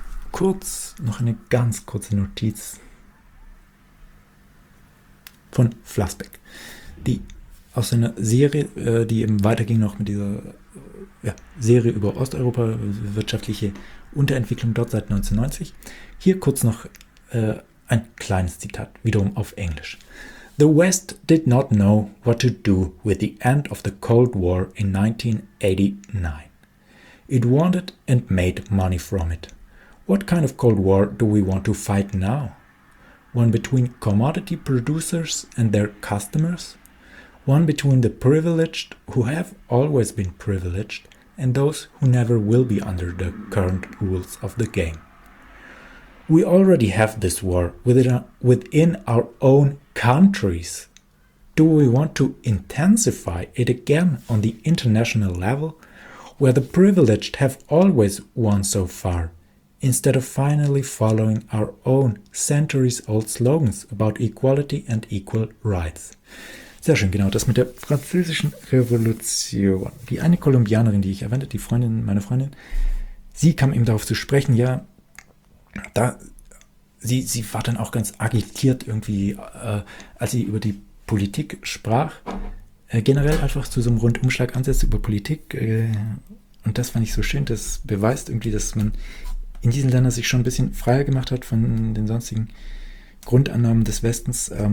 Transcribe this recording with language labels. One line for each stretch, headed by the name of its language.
German: Kurz, noch eine ganz kurze Notiz von Flashback, die aus einer Serie, die eben weiterging noch mit dieser Serie über Osteuropa, wirtschaftliche Unterentwicklung dort seit 1990. Hier kurz noch ein kleines Zitat, wiederum auf Englisch.
English: The West did not know what to do with the end of the Cold War in 1989. It wanted and made money from it. What kind of Cold War do we want to fight now? One between commodity producers and their customers? One between the privileged who have always been privileged and those who never will be under the current rules of the game? We already have this war within our own countries. Do we want to intensify it again on the international level, where the privileged have always won so far, instead of finally following our own centuries-old slogans about equality and equal rights?
German: Sehr schön, genau, das mit der französischen Revolution. Die eine Kolumbianerin, die ich erwähnte, die Freundin, meine Freundin, sie kam eben darauf zu sprechen, ja, da, sie war dann auch ganz agitiert irgendwie, als sie über die Politik sprach, generell einfach zu so einem Rundumschlag ansetzte über Politik, und das fand ich so schön, das beweist irgendwie, dass man in diesen Ländern sich schon ein bisschen freier gemacht hat von den sonstigen Grundannahmen des Westens.